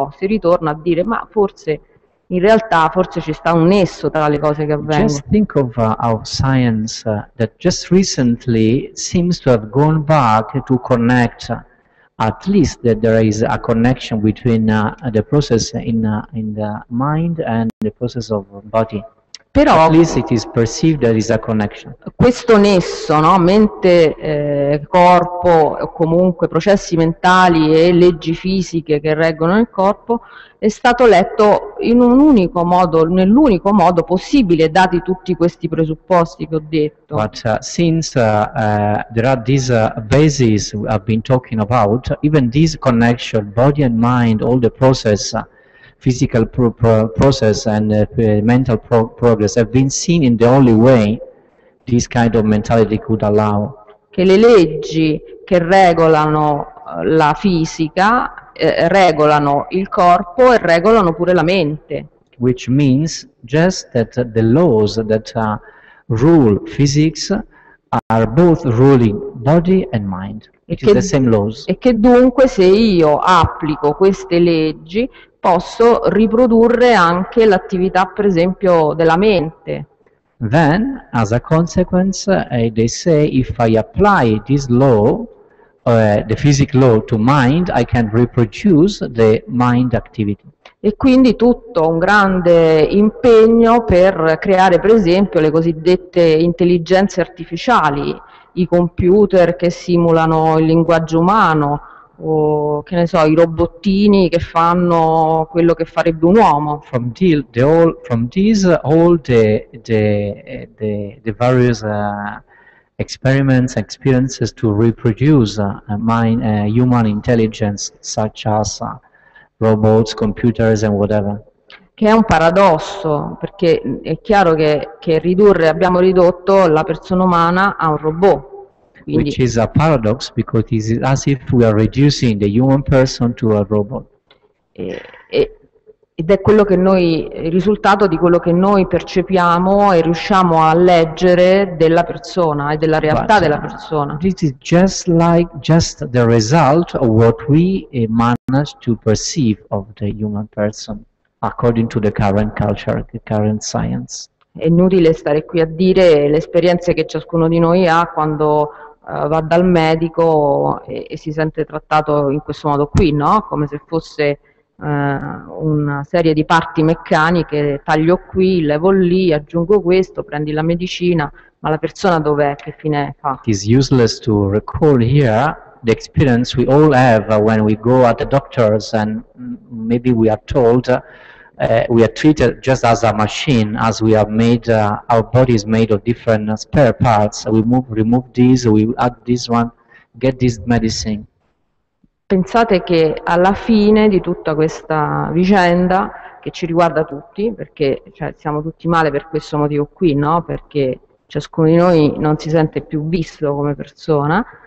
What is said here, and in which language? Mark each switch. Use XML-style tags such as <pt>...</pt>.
<it>Si ritorna a dire, ma forse in realtà forse ci sta un nesso tra le cose che avvengono.</it> <en>Just think of our science that just recently seems to have gone back to connect at least that there is a connection between the process in the mind and the process of body.</en> <it>Però</it> <en>at least it is perceived there is a connection.</en> <it>Questo nesso, no, mente, corpo, o comunque processi mentali e leggi fisiche che reggono il corpo, è stato letto in un unico modo, nell'unico modo possibile, dati tutti questi presupposti che ho detto.</it> <en>But since there are these bases I've been talking about, even this connection, body and mind, all the process, physical process and mental progress have been seen in the only way this kind of mentality could allow.</en> <it>Che le leggi che regolano la fisica regolano il corpo e regolano pure la mente.</it> <en>Which means just that the laws that rule physics are both ruling body and mind. It is the same laws.</en> <it>E che dunque se io applico queste leggi posso riprodurre anche l'attività, per esempio, della mente.</it> <en>Then, as a consequence, they say if I apply this law, the physical law to mind, I can reproduce the mind activity.</en> <it>E quindi tutto un grande impegno per creare, per esempio, le cosiddette intelligenze artificiali, i computer che simulano il linguaggio umano, o che ne so, i robottini che fanno quello che farebbe un uomo.</it> <en>From the all, from this all the various experiments, experiences to reproduce human intelligence, such as robots, computers and whatever.</en> <it>Che è un paradosso, perché è chiaro che abbiamo ridotto la persona umana a un robot.</it> <en>Which is a paradox because it is as if we are reducing the human person to a robot.</en> <it>Ed è quello che noi, il risultato di quello che noi percepiamo e riusciamo a leggere della persona e della realtà della persona.</it> <en>This is just the result of what we manage to perceive of the human person according to the current culture, the current science.</en> <it>È inutile stare qui a dire le esperienze che ciascuno di noi ha quando va dal medico e si sente trattato in questo modo qui, no? Come se fosse una serie di parti meccaniche, taglio qui, levo lì, aggiungo questo, prendi la medicina, ma la persona dov'è? Che fine fa?</it> <en>It is useless to recall here the experience we all have when we go at the doctors and maybe we are told we are treated just as a machine, as we are made, our body is made of different spare parts. We remove this, we add this one, get this medicine.</en> <it>Pensate che alla fine di tutta questa vicenda, che ci riguarda tutti, perché cioè, siamo tutti male per questo motivo qui, no? Perché ciascuno di noi non si sente più visto come persona.</it>